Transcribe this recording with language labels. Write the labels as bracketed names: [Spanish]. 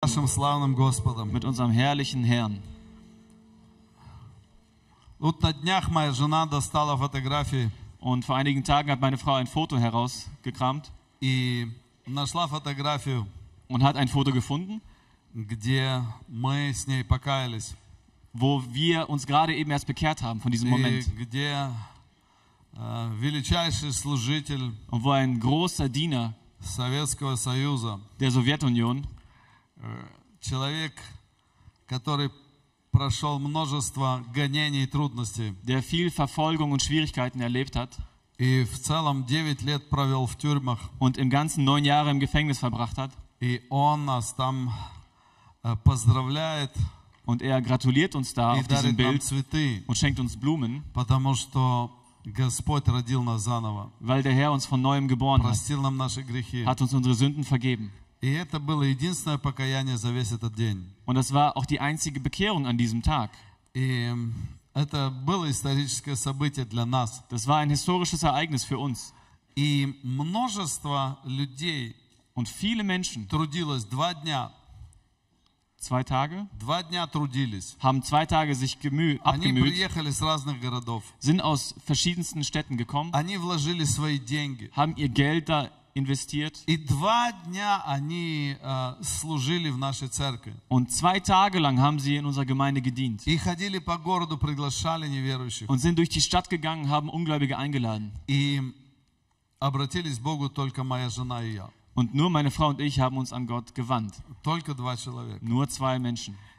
[Russian] нашим славным Господом. [German] Mit unserem herrlichen Herrn. [Russian] Вот на днях моя жена достала фотографии. [German] Und vor einigen Tagen hat meine Frau ein Foto herausgekramt. [Russian] И нашла фотографию. [German] Und hat ein Foto gefunden, [Russian] где мы с ней покаялись. [German] Wo wir uns gerade eben erst bekehrt haben von diesem Moment. [Russian] И где величайший служитель. [German] Und wo ein großer Diener [Russian] Советского Союза, [German] der Sowjetunion, [Russian] человек, который прошел множество гонений и трудностей, [German] der viel Verfolgung und Schwierigkeiten erlebt hat, [Russian] и в целом 9 лет провел в тюрьмах, [German] und im ganzen 9 Jahre im Gefängnis verbracht hat, [Russian] и он нас там поздравляет, [German] und er gratuliert uns da auf diesem Bild und schenkt uns Blumen, [Russian] потому что Господь родил нас заново. [German] Weil der Herr uns von neuem geboren hat. [Russian] Простил нам наши грехи. [German] Hat uns unsere Sünden vergeben. [Russian] И это было единственное покаяние за весь этот день. [German] Und das war auch die einzige Bekehrung an diesem Tag. [Russian] И это было историческое событие для нас. [German] Das war ein historisches Ereignis für uns. [Russian] И множество людей. [German] Und viele Menschen. [Russian] Трудилось два дня. [German] Zwei Tage? [Russian] Два дня трудились. [German] Haben zwei Tage sich abgemüht. [Russian] Они приехали с разных городов. [German] Sind aus verschiedensten Städten gekommen. [Russian] Они вложили свои деньги. [German] Haben ihr Geld da investiert. [Russian] И два дня они служили в нашей церкви. [German] Und zwei Tage lang haben sie in unserer Gemeinde gedient. [Russian] И ходили по городу, приглашали неверующих. [German] Und sind durch die Stadt gegangen, haben Ungläubige eingeladen. [Russian] И обратились к Богу только моя жена и я. [German] Und nur meine Frau und ich haben uns an Gott gewandt. Nur zwei Menschen.